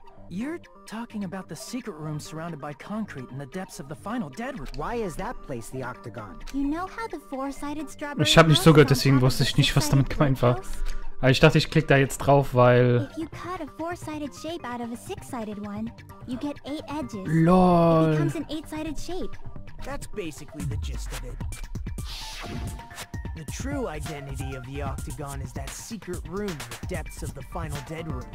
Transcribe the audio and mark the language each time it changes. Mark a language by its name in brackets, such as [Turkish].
[English] You're talking about the secret room surrounded by concrete in the depths of the final dead room. Why is that place the octagon? You know how the four-sided strawberry. [German] Ich habe nicht so gehört, deswegen wusste ich nicht, was damit gemeint war. Aber ich dachte, ich klicke da jetzt drauf, weil. [English] If you cut a four-sided shape out of a six-sided one, you get eight edges. Lol. It becomes an eight-sided shape. That's basically the gist of it. The true identity of the Octagon is that secret room in the depths of the final dead room.